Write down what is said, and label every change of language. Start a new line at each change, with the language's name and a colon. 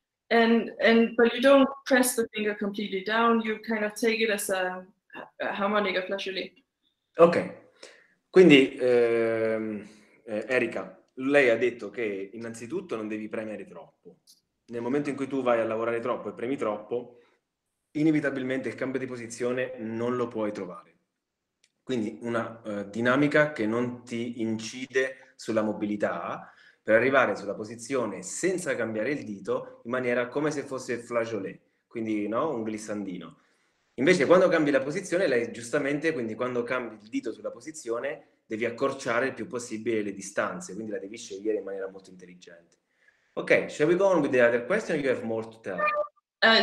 English: And but you don't press the finger completely down, you kind of take it as a harmonica flexure.
Italian: Ok, quindi Erika, lei ha detto che innanzitutto non devi premere troppo. Nel momento in cui tu vai a lavorare troppo e premi troppo, inevitabilmente il cambio di posizione non lo puoi trovare. Quindi una dinamica che non ti incide sulla mobilità, per arrivare sulla posizione senza cambiare il dito, in maniera come se fosse flageolet, quindi no, un glissandino. Invece quando cambi la posizione, lei giustamente, quindi quando cambi il dito sulla posizione, devi accorciare il più possibile le distanze, quindi la devi scegliere in maniera molto intelligente.
English: Ok, shall we go on with the other question, you have more to tell?